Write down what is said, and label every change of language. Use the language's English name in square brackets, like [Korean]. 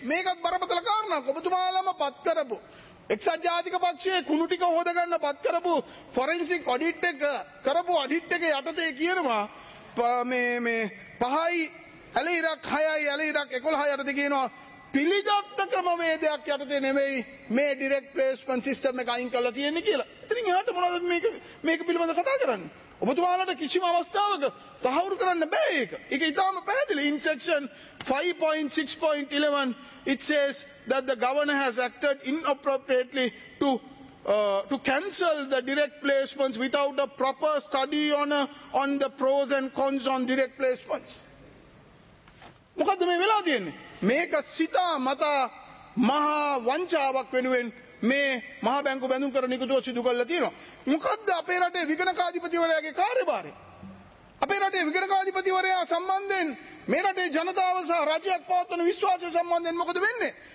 [Sinhala] මේකත් බරපතල කාරණාවක්. ඔබතුමාලම පත් කරපු එක්සත් ජාතික පක්ෂයේ කුණු ටික හොදගන්න පත් කරපු ෆොරෙන්සික් ඔඩිට් එක කරපු ඔඩිට් එක යටතේ කියනවා මේ 5යි ඇලෙයිරක් 6යි ඇලෙයිරක් 11 යටතේ කියනවා පිළිගත් ක්‍රමවේදයක් යටතේ නෙමෙයි මේ ඩිරෙක්ට් ප්ලේස්මන්ට් සිස්ටම් එක අයින් කරලා තියෙන්නේ කියලා. එතනින් එහාට මොනවද මේක පිළිබඳව කතා කරන්නේ? ඔබතුමාලට කිසිම අවස්ථාවක තහවුරු කරන්න බෑ ඒක. ඒක ඉතාම පැහැදිලි. [English] In section 5.6.11 it says that the governor has acted inappropriately to cancel the direct placements without a proper study on the pros and cons on direct placements. [Sinhala] මොකද්ද මේ වෙලා තියෙන්නේ? මේක සිතා මතා මහා වංචාවක් වෙනුවෙන් මේ මහා බැංකු බැඳුම් කර නිකුතුව සිදු කරලා තියෙනවා. මොකද්ද අපේ රටේ විගණකාධිපතිවරයාගේ කාර්යභාරය? අපේ රටේ විගණකාධිපතිවරයා සම්බන්ධයෙන් මේ රටේ ජනතාව සහ රජයක් පවත්වන විශ්වාසය සම්බන්ධයෙන් මොකද වෙන්නේ?